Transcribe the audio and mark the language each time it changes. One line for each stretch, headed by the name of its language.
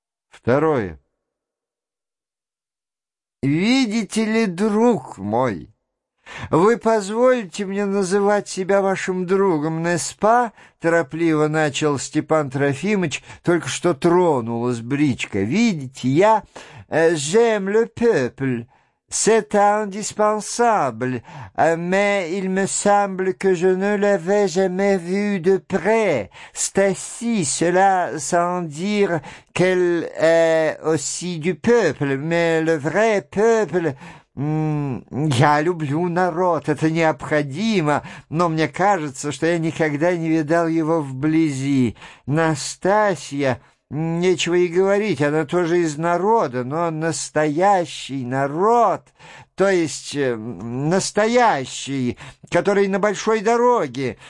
Russian: Второе. Видите ли, друг мой, вы позвольте мне называть себя вашим другом, Неспа? Торопливо начал Степан Трофимович, только что тронулась бричка. Видите, я
French: «j'aime le peuple». C'est indispensable, mais il me semble que je ne l'avais jamais vu de près. C'est ainsi, cela sans dire qu'elle est aussi du peuple, mais le vrai peuple...
Russian: Я люблю народ, это необходимо, но мне кажется, что я никогда не видал его вблизи. Настасья... Нечего и говорить, она тоже из народа, но настоящий народ, то есть настоящий, который на большой дороге.